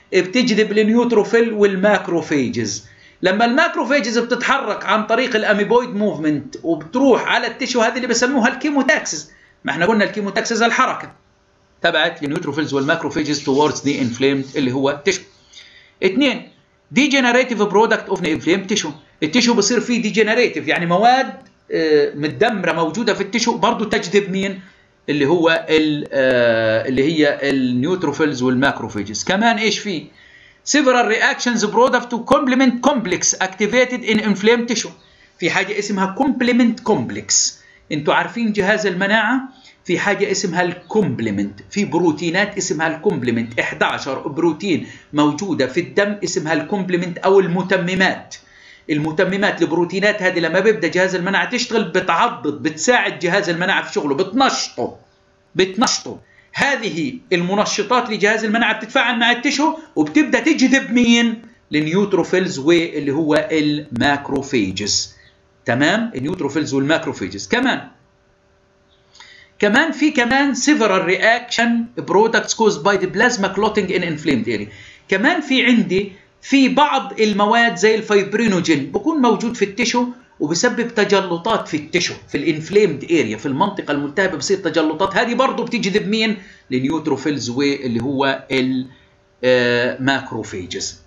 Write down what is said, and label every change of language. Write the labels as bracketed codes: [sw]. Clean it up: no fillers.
[ar] بتجذب النيوتروفيل والماكروفيجز. لما الماكروفيجز بتتحرك عن طريق الاميبويد موفمنت وبتروح على التشو هذه اللي بسموها الكيموتاكسس، ما احنا قلنا الكيموتاكسس الحركه تبعت النيوتروفيلز والماكروفيجز [en] towards the inflamed [ar] اللي هو التشو. اثنين، [en] degenerative product of the inflamed tissue، [ar] التشو بصير فيه degenerative يعني مواد مدمره موجوده في التشو برضو تجذب مين اللي هو اللي هي النيوتروفيلز والماكروفيجز. كمان ايش فيه؟ [en] several reactions product to complement complex activated in inflamed tissue، [ar] في حاجه اسمها [en] complement complex. [ar] انتم عارفين جهاز المناعه في حاجه اسمها الكومبلمنت، في بروتينات اسمها الكومبلمنت، 11 بروتين موجوده في الدم اسمها الكومبلمنت او المتممات. المتممات البروتينات هذه لما بيبدا جهاز المناعه تشتغل بتعضد، بتساعد جهاز المناعه في شغله، بتنشطه. هذه المنشطات لجهاز المناعه بتتفاعل مع التشو وبتبدا تجذب مين؟ النيوتروفيلز واللي هو الماكروفيجز. تمام، النيوتروفيلز والماكروفيجز. كمان في كمان [en] several reaction products caused by the plasma clotting in inflamed area. [ar] كمان في عندي في بعض المواد زي الفايبرينوجين بكون موجود في التشو وبسبب تجلطات في التشو في الانفليمد اريا، في المنطقة الملتهبة بصير تجلطات، هذه برضو بتجذب مين؟ النيوتروفيلز واللي هو الماكروفيجز.